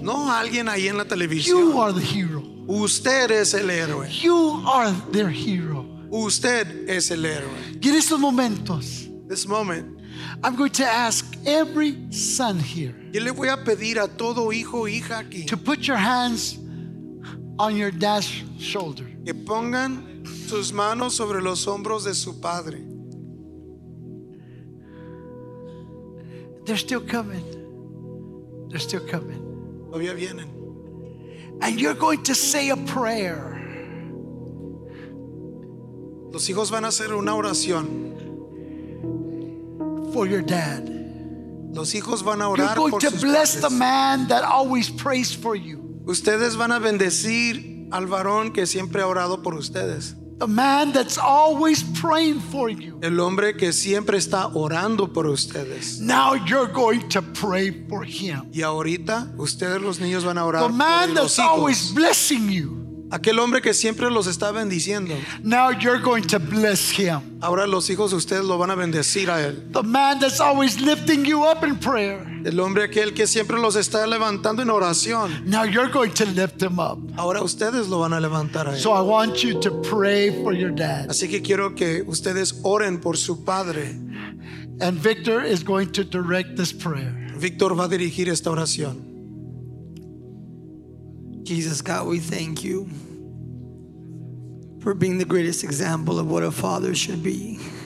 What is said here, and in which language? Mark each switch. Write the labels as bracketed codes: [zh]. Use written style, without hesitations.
[es] No, alguien ahí en la televisión. [en] You are the hero. [es] Usted es el héroe. [en] You are their hero. [es] Usted es el héroe. Y en estos momentos. [en] This moment. I'm going to ask every son here. [es] Yo le voy a pedir a todo hijo o hija aquí. [en] To put your hands on your dad's shoulder. [es] Que pongan sus manos sobre los hombros de su padre. [en] They're still coming. They're still coming. [es] Todavía vienen. [en] And you're going to say a prayer. [es] Los hijos van a hacer una oración. [en] For your dad. [es] Los hijos van a orar por sus padres. [en] You're going to bless [es] padres. [en] The man that always prays for you. [es] Ustedes van a bendecir al varón que siempre ha orado por ustedes. [en] The man that's always praying for you. [es] El hombre que siempre está orando por ustedes. [en] Now you're going to pray for him. [es] Y ahorita ustedes los niños van a orar por los hijos. [en] The man that's always blessing you. [es] Aquel hombre que siempre los está bendiciendo. [en] Now you're going to bless him. [es] Ahora los hijos ustedes lo van a bendecir a él. [en] The man that's always lifting you up in prayer. [es] El hombre aquel que siempre los está levantando en oración. [en] Now you're going to lift him up. [es] Ahora ustedes lo van a levantar a él. [en] So I want you to pray for your dad. [es] Así que quiero que ustedes oren por su padre. [en] And Victor is going to direct this prayer. [es] Victor va a dirigir esta oración. [en] Jesus, God, we thank you for being the greatest example of what a father should be.